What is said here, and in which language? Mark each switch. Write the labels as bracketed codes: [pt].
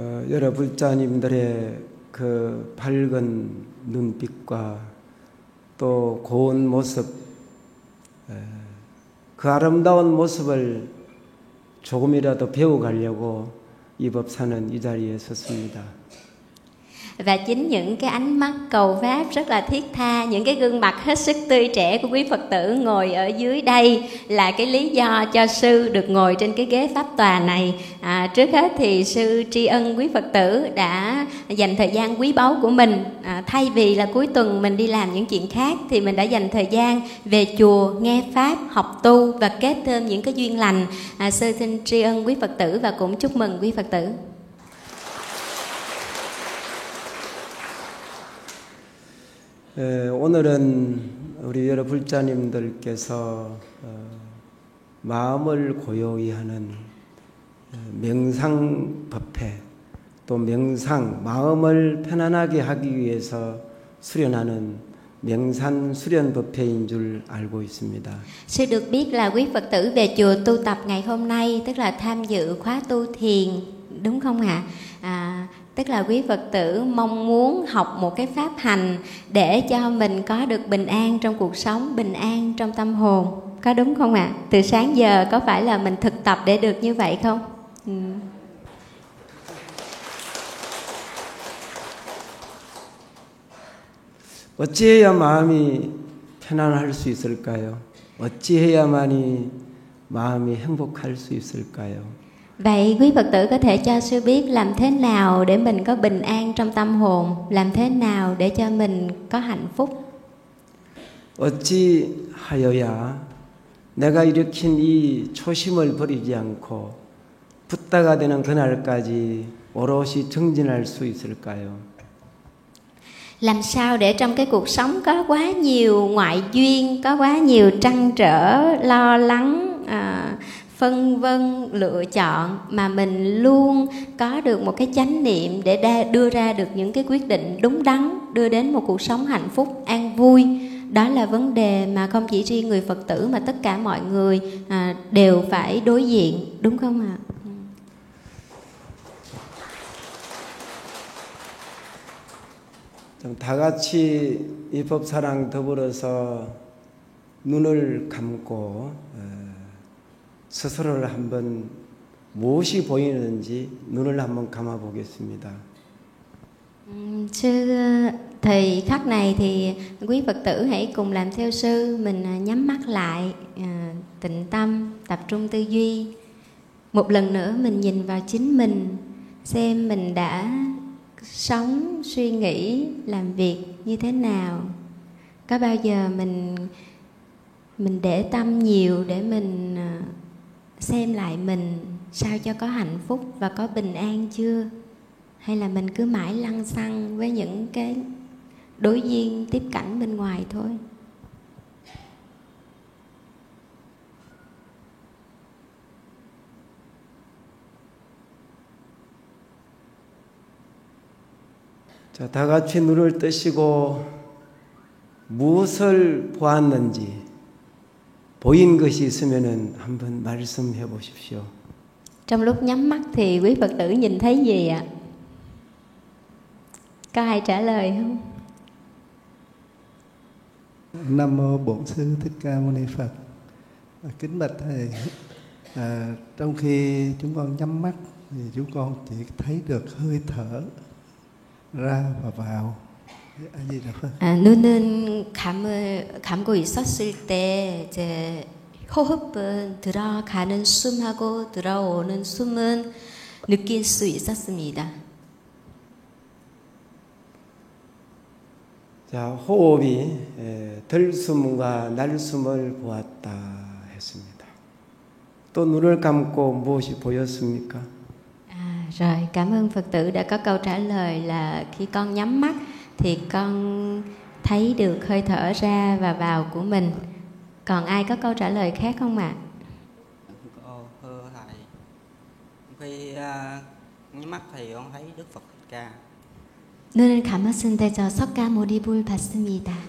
[ko] 여러 불자님들의 그 밝은 눈빛과 또 고운 모습, 그 아름다운 모습을 조금이라도 배워가려고 이 법사는 이 자리에 섰습니다. [vi] Và chính những cái ánh mắt cầu pháp rất là thiết tha, những cái gương mặt hết sức tươi trẻ của quý Phật tử ngồi ở dưới đây là cái lý do cho sư được ngồi trên cái ghế pháp tòa này. Trước hết thì sư tri ân quý Phật tử đã dành thời gian quý báu của mình. Thay vì là cuối tuần mình đi làm những chuyện khác thì mình đã dành thời gian về chùa, nghe pháp, học tu và kết thêm những cái duyên lành. Sư xin tri ân quý Phật tử và cũng chúc mừng quý Phật tử. [ko] 오늘은 우리 여러 불자님들께서 마음을 고요히 하는 명상 법회, 또 명상, 마음을 편안하게 하기 위해서 수련하는 명산 수련 법회인 줄 알고 있습니다. [vi] Sư được biết là quý Phật tử về chùa tu tập ngày hôm nay tức là tham dự khóa tu thiền, đúng không ạ? Tức là quý Phật tử mong muốn học một cái pháp hành để cho mình có được bình an trong cuộc sống, bình an trong tâm hồn. Có đúng không ạ? Từ sáng giờ có phải là mình thực tập để được như vậy không? Ừ. [ko] 어찌해야 마음이 편안할 수 있을까요? 어찌해야만이 마음이 행복할 수 있을까요? [vi] Vậy quý Phật tử có thể cho sư biết làm thế nào để mình có bình an trong tâm hồn, làm thế nào để cho mình có hạnh phúc? [ko] 어찌하여야 내가 일으킨 이 초심을 버리지 않고 붓다가 되는 그날까지 오롯이 정진할 수 있을까요? [vi] Làm sao để trong cái cuộc sống có quá nhiều ngoại duyên, có quá nhiều trăn trở, lo lắng, phân vân, lựa chọn mà mình luôn có được một cái chánh niệm để đưa ra được những cái quyết định đúng đắn, đưa đến một cuộc sống hạnh phúc, an vui. Đó là vấn đề mà không chỉ riêng người Phật tử mà tất cả mọi người đều phải đối diện, đúng không ạ? Chúng ta [ko] 같이 이 법사랑 더불어서 눈을 감고 스스로를 한번 무엇이 보이는지 눈을 한번 감아 보겠습니다. [vi] Sư thì khắc này thì quý Phật tử hãy cùng làm theo sư, mình nhắm mắt lại, tịnh tâm, tập trung tư duy. Một lần nữa mình nhìn vào chính mình, xem mình đã sống, suy nghĩ, làm việc như thế nào. Có bao giờ mình để tâm nhiều để mình xem lại mình sao cho có hạnh phúc và có bình an chưa? Hay là mình cứ mãi lăng xăng với những cái đối duyên tiếp cảnh bên ngoài thôi? [ko] Chà, 다 같이 눈을 뜨시고 무엇을 보았는지 보인 것이 있으면은 한번 말씀해 보십시오. [vi] Trong lúc nhắm mắt thì quý Phật tử nhìn thấy gì ạ? Có ai trả lời không? Nam mô Bổn Sư Thích Ca Mâu Ni Phật. Kính bạch thầy, trong khi chúng con nhắm mắt thì chúng con chỉ thấy được hơi thở ra và vào. A Di Đà Phật. [ko] 눈은 감고 있었을 때 이제 호흡은 들어가는 숨하고 들어오는 숨은 느낄 수 있었습니다. 자, 호흡이 들숨과 날숨을 보았다 했습니다. 또 눈을 감고 무엇이 보였습니까? [vi] Rồi, cảm ơn Phật tử đã có câu trả lời là khi con nhắm mắt thì con thấy được hơi thở ra và vào của mình. Còn ai có câu trả lời khác không ạ? Cô thưa thầy, khi nhắm mắt thì con thấy Đức Phật Thích Ca. [ko] 눈을 감았을 때 저 석가 모니불 봤습니다.